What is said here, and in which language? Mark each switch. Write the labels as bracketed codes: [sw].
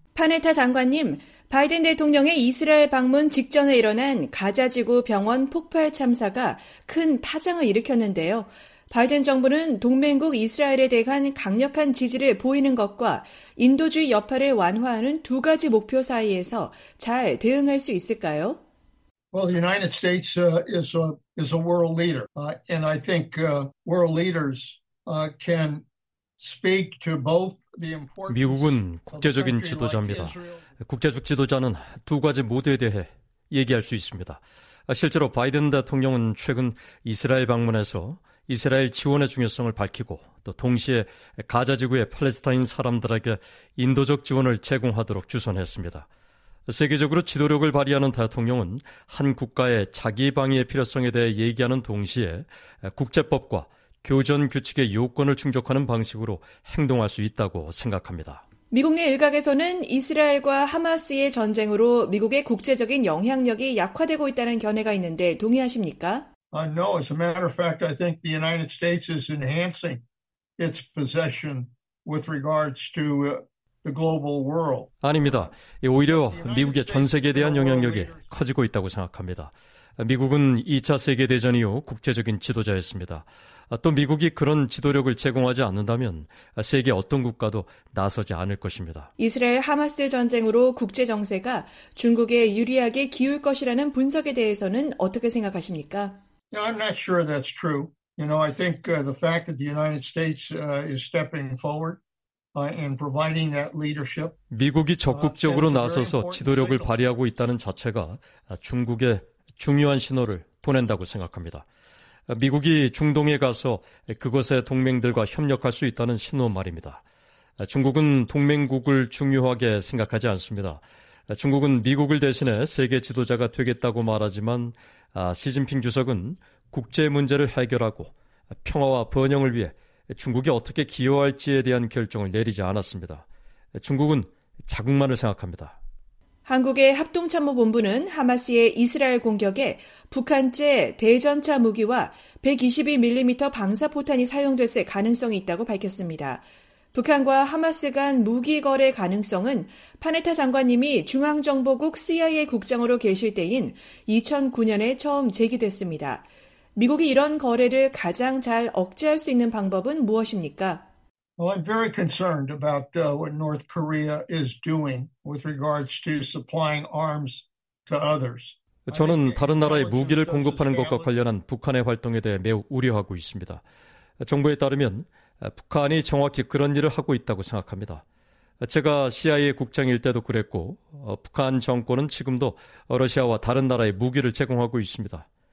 [ko] 파네타 장관님, 바이든 대통령의 이스라엘 방문 직전에 일어난 가자지구 병원 폭발 참사가 큰 파장을 일으켰는데요. 바이든 정부는 동맹국 이스라엘에 대한 강력한 지지를 보이는 것과 인도주의 여파를 완화하는 두 가지 목표 사이에서 잘 대응할 수 있을까요? [en] Well, the United States is a world leader. And I think world leaders can speak to both the importance. [ko] 미국은 국제적인 지도자입니다. 국제적 지도자는 두 가지 모드에 대해 얘기할 수 있습니다. 실제로 바이든 대통령은 최근 이스라엘 방문에서 이스라엘 지원의 중요성을 밝히고 또 동시에 가자지구의 팔레스타인 사람들에게 인도적 지원을 제공하도록 주선했습니다. 세계적으로 지도력을 발휘하는 대통령은 한 국가의 자기 방위의 필요성에 대해 얘기하는 동시에 국제법과 교전 규칙의 요건을 충족하는 방식으로 행동할 수 있다고 생각합니다. 미국 내 일각에서는 이스라엘과 하마스의 전쟁으로 미국의 국제적인 영향력이 약화되고 있다는 견해가 있는데 동의하십니까? [en] No, as a matter of fact, I think the United States is enhancing its position with regards to the global world. [ko] 아닙니다. 오히려 미국의 전 세계에 대한 영향력이 커지고 있다고 생각합니다. 미국은 2차 세계대전 이후 국제적인 지도자였습니다. 또 미국이 그런 지도력을 제공하지 않는다면 세계 어떤 국가도 나서지 않을 것입니다. 이스라엘 하마스 전쟁으로 국제정세가 중국에 유리하게 기울 것이라는 분석에 대해서는 어떻게 생각하십니까? [en] I'm not sure that's true. You know, I think the fact that the United States is stepping forward and providing that leadership. [ko] 미국이 적극적으로 나서서 지도력을 발휘하고 있다는 자체가 중국에 중요한 신호를 보낸다고 생각합니다. 미국이 중동에 가서 그곳의 동맹들과 협력할 수 있다는 신호 말입니다. 중국은 동맹국을 중요하게 생각하지 않습니다. 중국은 미국을 대신해 세계 지도자가 되겠다고 말하지만 시진핑 주석은 국제 문제를 해결하고 평화와 번영을 위해 중국이 어떻게 기여할지에 대한 결정을 내리지 않았습니다. 중국은 자국만을 생각합니다. 한국의 합동참모본부는 하마스의 이스라엘 공격에 북한제 대전차 무기와 122mm 방사포탄이 사용됐을 가능성이 있다고 밝혔습니다. 북한과 하마스 간 무기 거래 가능성은 파네타 장관님이 중앙정보국 CIA 국장으로 계실 때인 2009년에 처음 제기됐습니다. 미국이 이런 거래를 가장 잘 억제할 수 있는 방법은 무엇입니까? [en] Well, I'm very concerned about what North Korea is doing with regards to supplying arms to others. [ko] 저는 다른 나라에 무기를 공급하는 것과 관련한 북한의 활동에 대해 매우 우려하고 있습니다. 정부에 따르면 북한이 정확히 그런 일을 하고 있다고 생각합니다. 제가 CIA 국장일 때도 그랬고 북한 정권은 지금도 러시아와 다른 나라에 무기를 제공하고 있습니다.